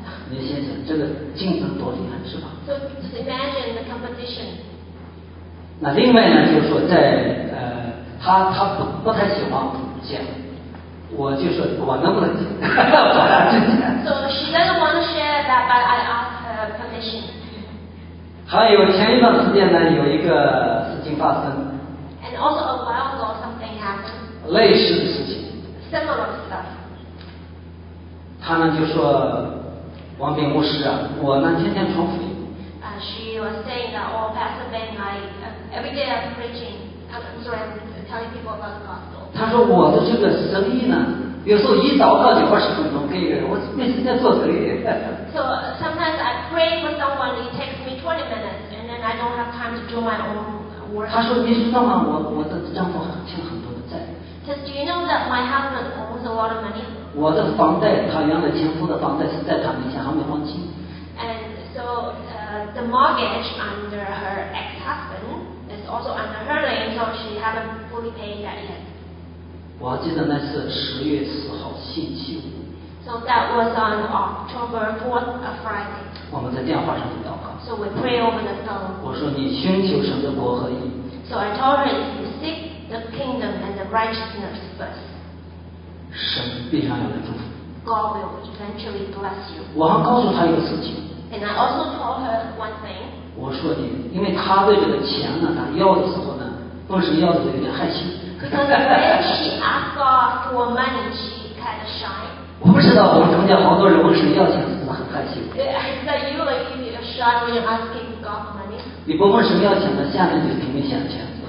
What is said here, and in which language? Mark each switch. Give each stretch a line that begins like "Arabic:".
Chinese: 你想想这个竞争多厉害是吧？
English: So imagine the competition.
Chinese: 那另外呢，就是说在他不太喜欢剪，我就说我能不能剪，我要挣钱。
English: So she doesn't want to share that, but I asked her permission.
Chinese: 还有前一段时间呢，有一个事情发生。
English: And also a while ago something happened.
Chinese: 类似的事情。
English: Similar stuff.
Chinese: 他呢就说。王炳牧师啊，我呢天天传福音。
English: She was saying that all Pastor Ben and I every day I'm preaching, telling people about the gospel.
Chinese: 他说我的这个生意呢，有时候一祷告就20分钟可以，我每天在做生意。
English: So sometimes I pray for someone, it takes me 20 minutes, and then I don't have time to do my own work.
Chinese: 他说你知道吗？我的丈夫欠很多的债。
English: Says, do you know that my husband owes a lot of money?
Chinese: 我的房贷，他原来前夫的房贷是在他名下，还没还清。
English: And so, the mortgage under her ex-husband is also under her name, so she haven't fully paid that yet.
Chinese: 我记得那是10月4号星期五。
English: So that was on October 4th, a Friday.
Chinese: 我们在电话上祷告。
English: So we pray over the phone.
Chinese: 我说你寻求神的国和义。
English: So I told her, you seek the kingdom and the righteousness first.
Chinese: 神必然有人祝福。
English: God will eventually bless you.
Chinese: 我还告诉他一个事情。
English: And I also told her one thing.
Chinese: 我说你，因为他对这个钱呢，他要的时候呢，不是要的有点害羞。
English: Because when she asked God for money, she kind of shy.
Chinese: 我不知道，我们中间好多人问神要钱，是不是很害羞
English: ？Is that you like you shy when you're asking God for money?
Chinese: 你不问神要钱的，下面就拼命想钱。